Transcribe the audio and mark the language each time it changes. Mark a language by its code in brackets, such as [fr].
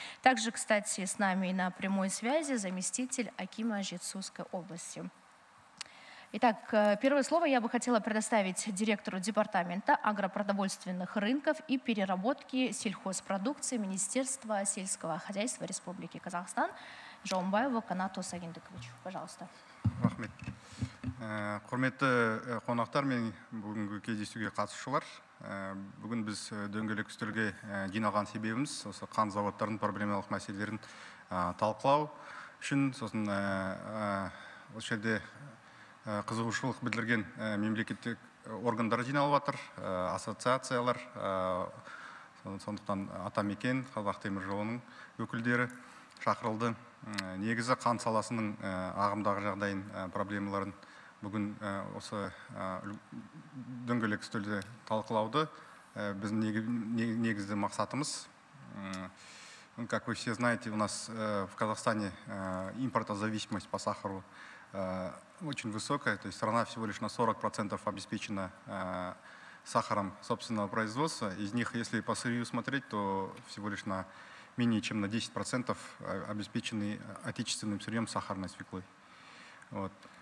[ru] Также, кстати, с нами на прямой связи заместитель акима Жетсузской области. Итак, первое слово я бы хотела предоставить директору департамента агропродовольственных рынков и переработки сельхозпродукции Министерства сельского хозяйства Республики Казахстан Жоумбаеву Канату Сагиндыковичу. Пожалуйста. [kk] Рахмет. Құрметті қонақтар мен бүгінгі кездесуге қатысушылар. Бүгін біз дөңгелек үстелге жиналған себебіміз осы қант заводтарының проблемалық мәселелерін талқылау үшін сосын осы жерде қызығушылық білдірген мемлекеттік органдар жиналып жатыр, ассоциациялар, сондықтан атамекен, Қазақ темір жолының өкілдері шақырылды. Негізі қан саласының ағымдағы жағдайын, проблемаларын бүгін осы дөңгелек үстелде талқылауды біздің негізгі мақсатымыз. [ru] Как вы все знаете, у нас в Казахстане импортозависимость по сахару очень высокая, то есть страна всего лишь на 40% обеспечена сахаром собственного производства. Из них, если по сырью смотреть, то всего лишь на менее чем на 10% обеспечены отечественным сырьем сахарной свеклы. Вот.